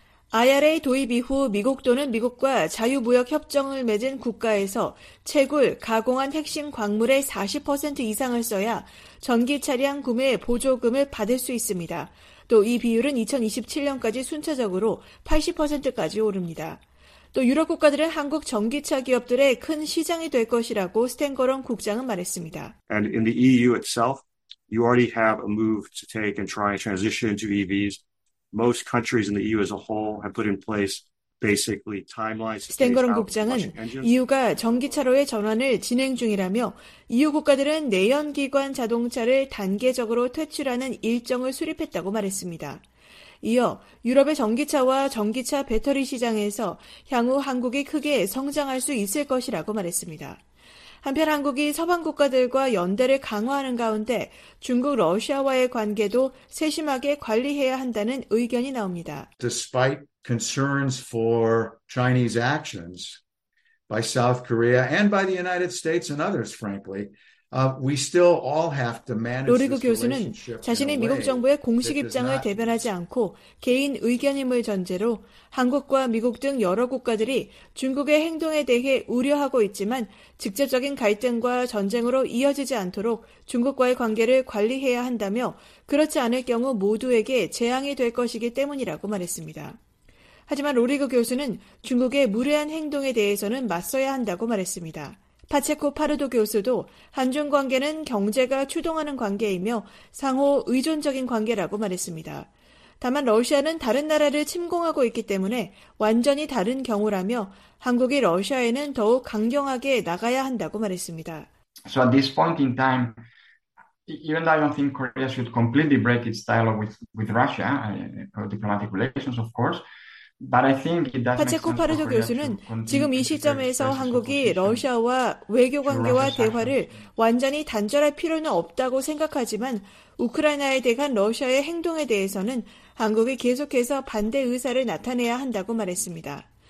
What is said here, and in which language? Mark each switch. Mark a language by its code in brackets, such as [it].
[ko] IRA 도입 이후 미국 또는 미국과 자유무역협정을 맺은 국가에서 채굴, 가공한 핵심 광물의 40% 이상을 써야 전기 차량 구매 보조금을 받을 수 있습니다. 또 이 비율은 2027년까지 순차적으로 80%까지 오릅니다. 또 유럽 국가들은 한국 전기차 기업들의 큰 시장이 될 것이라고 스탠거런 국장은 말했습니다. [en] And in the EU itself, you already have a move to take and try and transition to EVs. Most countries in the EU as a whole have put in place basically timelines. [ko] 스탠거런 국장은 EU가 전기차로의 전환을 진행 중이라며 EU 국가들은 내연기관 자동차를 단계적으로 퇴출하는 일정을 수립했다고 말했습니다. 이어 유럽의 전기차와 전기차 배터리 시장에서 향후 한국이 크게 성장할 수 있을 것이라고 말했습니다. 한편 한국이 서방 국가들과 연대를 강화하는 가운데 중국, 러시아와의 관계도 세심하게 관리해야 한다는 의견이 나옵니다. [en] Despite concerns for Chinese actions by South Korea and by the United States and others, frankly, we still all have to manage. [ko] 노리구 교수는 자신이 미국 정부의 공식 입장을 대변하지 않고 개인 의견임을 전제로 한국과 미국 등 여러 국가들이 중국의 행동에 대해 우려하고 있지만 직접적인 갈등과 전쟁으로 이어지지 않도록 중국과의 관계를 관리해야 한다며 그렇지 않을 경우 모두에게 재앙이 될 것이기 때문이라고 말했습니다. 하지만 로리그 교수는 중국의 무례한 행동에 대해서는 맞서야 한다고 말했습니다. 파체코 파르도 교수도 한중 관계는 경제가 추동하는 관계이며 상호 의존적인 관계라고 말했습니다. 다만 러시아는 다른 나라를 침공하고 있기 때문에 완전히 다른 경우라며 한국이 러시아에는 더욱 강경하게 나가야 한다고 말했습니다. [en] So at this point in time, even though I don't think Korea should completely break its dialogue with Russia, diplomatic relations, of course. [ko] 파체코 파르도 교수는 지금 이 시점에서 한국이 러시아와 외교 관계와 대화를 완전히 단절할 필요는 없다고 생각하지만 우크라이나에 대한 러시아의 행동에 대해서는 한국이 계속해서 반대 의사를 나타내야 한다고 말했습니다.